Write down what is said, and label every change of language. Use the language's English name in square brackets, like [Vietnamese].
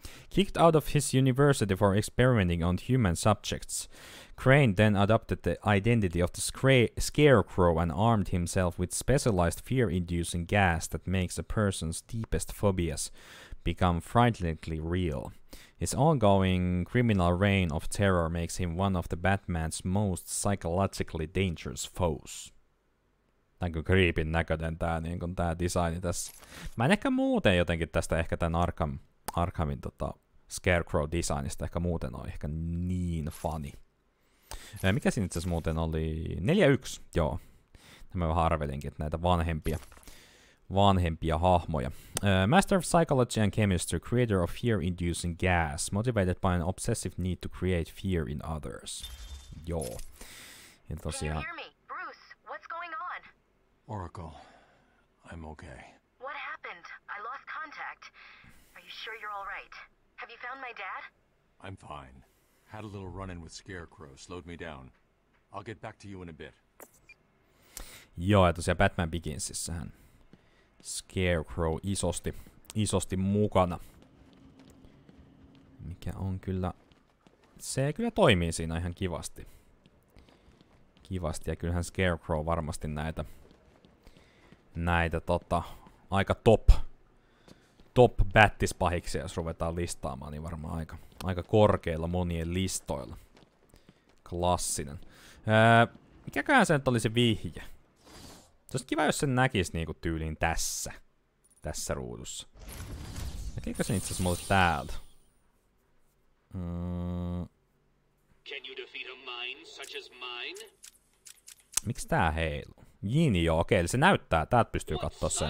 [English] Kicked out of his university for experimenting on human subjects, Crane then adopted the identity of the Scarecrow and armed himself with specialized fear-inducing gas that makes a person's deepest phobias become frighteningly real. His ongoing criminal reign of terror makes him one of the Batman's most psychologically dangerous foes. [Finnish] Tämä on creepin näköinen tämä, niin kuin tämä designi tässä. Mä en ehkä muuten jotenkin tästä ehkä tämän Arkhamin Scarecrow-designista ehkä muuten on ehkä niin funny. Mikä siinä itseasiassa muuten oli? 4-1, joo. Tämä vähän arvelinkin, että näitä vanhempia hahmoja. [English] Master of Psychology and Chemistry, creator of fear-inducing gas, motivated by an obsessive need to create fear in others. [Finnish] Joo. Ja tosiaan... [English] Can you hear me? Bruce, what's going on? Oracle, I'm okay. What happened? I lost contact. Are you sure you're all right? Have you found my dad? I'm fine. Had a little run-in with Scarecrow, slowed me down. I'll get back to you in a bit. [Finnish] Joo, ja tosiaan Batman Beginsissähän Scarecrow isosti mukana. Mikä on kyllä... Se kyllä toimii siinä ihan kivasti. Kivasti, ja kyllähän Scarecrow varmasti näitä aika top bättispahiksia, jos ruvetaan listaamaan, niin varmaan aika korkeilla monien listoilla. Klassinen. Mikäköhän se nyt oli se vihje? Se olisi kiva, jos sen näkisi niinku tyyliin tässä ruudussa. Näkeekö sen itseasiassa mulle täältä? [English] Can you defeat a mind such as mine? [Finnish] Miksi tää heiluu? Jini, joo, okei, eli se näyttää. Täältä pystyy kattoo sen.